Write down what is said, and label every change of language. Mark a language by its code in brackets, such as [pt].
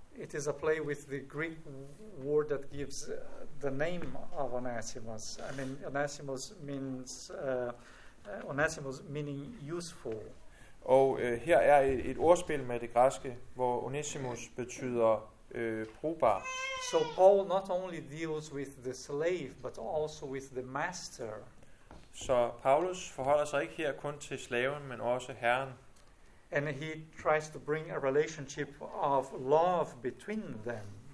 [en] It is a play with the Greek word that gives the name of Onesimus. I mean, Onesimus means Onesimus meaning useful. [da] Og her er et ordspil med det græske, hvor Onesimus betyder brugbar. [en] So Paul not only deals with the slave, but also with the master. [da] Så Paulus forholder sig ikke her kun til slaven, men også Herren. [en] And he tries to bring a relationship of love between them.